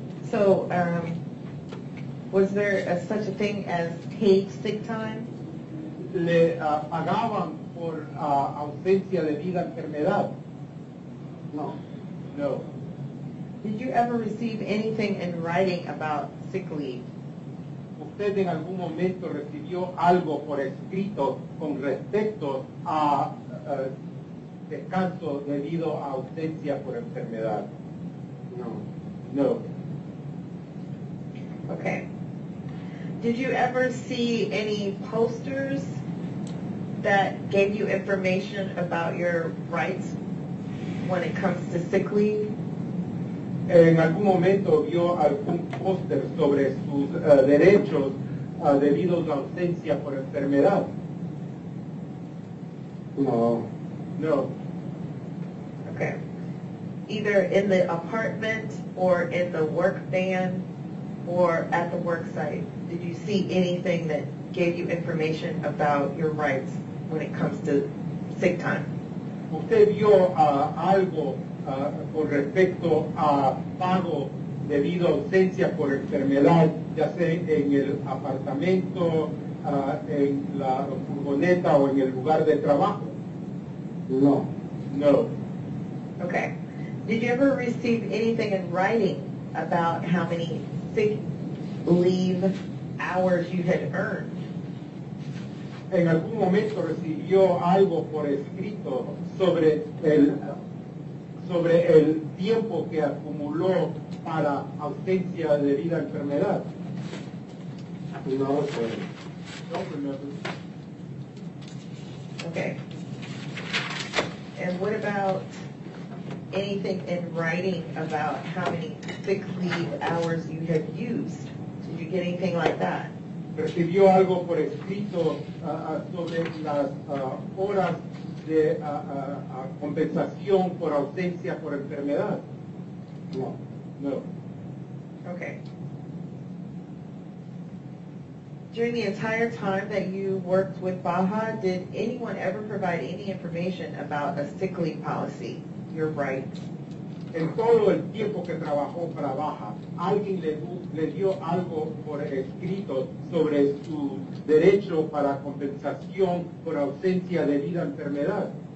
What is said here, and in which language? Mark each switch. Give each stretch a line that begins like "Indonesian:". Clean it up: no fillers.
English: So, was there such a thing as paid sick time?
Spanish: Le pagaban por ausencia debido a enfermedad. No. No.
English: Did you ever receive anything in writing about sick leave?
Spanish: ¿Usted en algún momento recibió algo por escrito con respecto a descanso debido a ausencia por enfermedad? No.
English: No. Okay. Did you ever see any posters that gave you information about your rights when it comes to sick leave?
Spanish: ¿En algún momento vio algún póster sobre sus derechos debido a ausencia por enfermedad? No.
English: No. Okay. Either in the apartment or in the work van or at the work site, did you see anything that gave you information about your rights when it comes to sick time?
Spanish: ¿Usted vio algo con respecto a pago debido a ausencia por enfermedad, ya sea en el apartamento, en la furgoneta o en el lugar de trabajo? No.
English: No. Okay. Did you ever receive anything in writing about how many sick leave hours you had earned?
Spanish: En algún momento recibió algo por escrito sobre el tiempo que acumuló para ausencia debido a enfermedad. No, no.
English: Okay. And what about anything in writing about how many sick leave hours you have used? Did you get anything like that?
Spanish: ¿Recibió algo por escrito sobre las horas de compensación por ausencia por enfermedad? No.
English: No. Okay. During the entire time that you worked with Baja, did anyone ever provide any information about a sick leave policy? You're right.
Spanish: En todo el tiempo que trabajó para Baja, ¿alguien le dio algo por escrito sobre su derecho para compensación por ausencia debido a enfermedad?